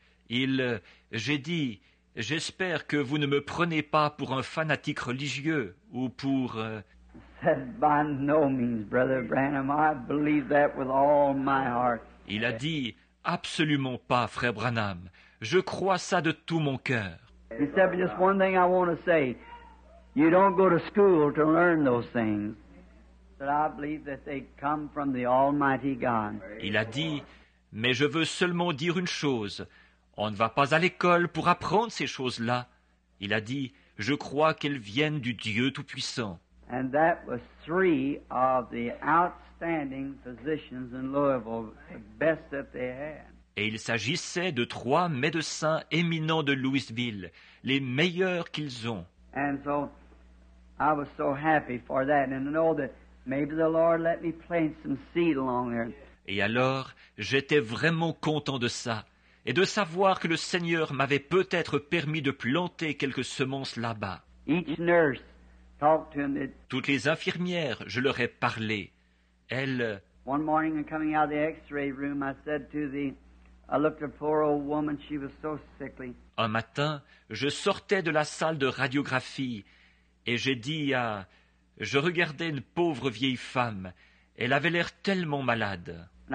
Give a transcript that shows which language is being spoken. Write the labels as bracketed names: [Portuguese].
[French] J'ai dit, j'espère que vous ne me prenez pas pour un fanatique religieux ou pour... [English] By no means, Brother Branham. I believe that with all my heart. [French] Il a dit, absolument pas, Frère Branham. Je crois ça de tout mon cœur. [English] He said, but just one thing I want to say. You don't go to school to learn those things. But I believe that they come from the Almighty God. [French] Il a dit, mais je veux seulement dire une chose. On ne va pas à l'école pour apprendre ces choses-là. Il a dit, je crois qu'elles viennent du Dieu Tout-Puissant. [English] And that was 3 of the outstanding physicians in Louisville, the best that they had. [French] et il s'agissait de trois médecins éminents de Louisville, les meilleurs qu'ils ont. [English] And so I was so happy for that, and I know that maybe the Lord let me plant some seed along there. [French] Et alors, j'étais vraiment content de ça, et de savoir que le Seigneur m'avait peut-être permis de planter quelques semences là-bas. [English] Each nurse talked to him. [French] Toutes les infirmières, je leur ai parlé. Elles... [English] One morning, coming out of the X-ray room, I said to the, I looked at poor old woman. She was so sickly. [French] Un matin, je sortais de la salle de radiographie, et j'ai dit à, je regardais une pauvre vieille femme. Elle avait l'air tellement malade.